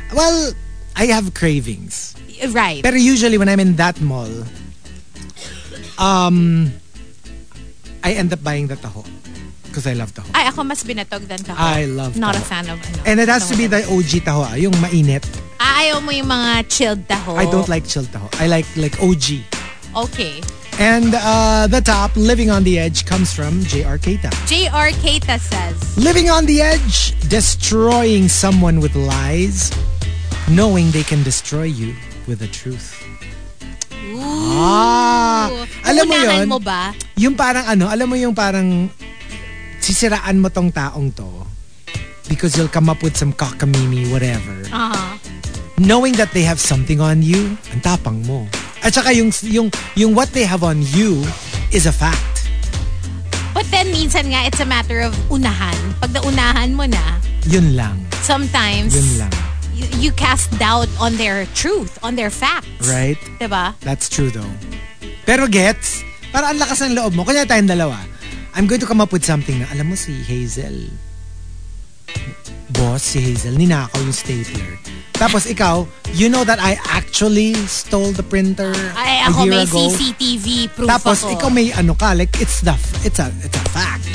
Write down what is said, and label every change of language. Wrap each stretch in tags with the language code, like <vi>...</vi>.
<en>Well, I have cravings. Right.</en> <tl>Pero</tl> <en>usually when I'm in that mall, I end up buying the taho. Because I love taho.</en> <tl>Ay, ako mas binatog</tl> <en>than</en> <tl>taho.</tl> <en>I love not taho. A fan of</en> <tl>ano.</tl> <en>And it has to be the OG taho,</en> <tl>ah, yung mainit. Ayaw mo yung mga chilled taho.</tl> <en>I don't like chilled taho. I like OG. Okay. And the top, Living on the Edge, comes from JR Keita. JR Keita says, living on the edge, destroying someone with lies, knowing they can destroy you with the truth. Ooh. Ah,</en> <tl>alam mo yun? Mo ba? Yung parang ano, alam mo yung parang sisiraan mo tong taong to.</tl> <en>because you'll come up with some cockamamie, whatever. Uh-huh. Knowing that they have something on you,</en> <tl>ang tapang mo. At saka yung</tl> <en>what they have on you is a fact. But then,</en> <tl>minsan nga,</tl> <en>it's a matter of unahan.</en> <tl>Pag naunahan mo na, yun lang.</tl> <en>Sometimes,</en> <tl>yun lang.</tl> <en>You cast doubt on their truth, on their facts. Right?</en> <tl>Diba?</tl> <en>That's true though.</en> <tl>Pero</tl> <en>gets,</en> <tl>para ang lakas ng loob mo. Kanya tayong dalawa.</tl> <en>I'm going to come up with something</en> <tl>na, alam mo si Hazel,</tl> <en>boss</en> <tl>si Hazel, ninakaw yung</tl> <en>stapler.</en> <tl>Tapos ikaw,</tl> <en>you know that I actually stole the printer a year ago.</en> <tl>Ako may</tl> <en>CCTV proof.</en> <tl>Tapos ako. Ikaw may ano ka,</tl> <en>like it's a fact.</en>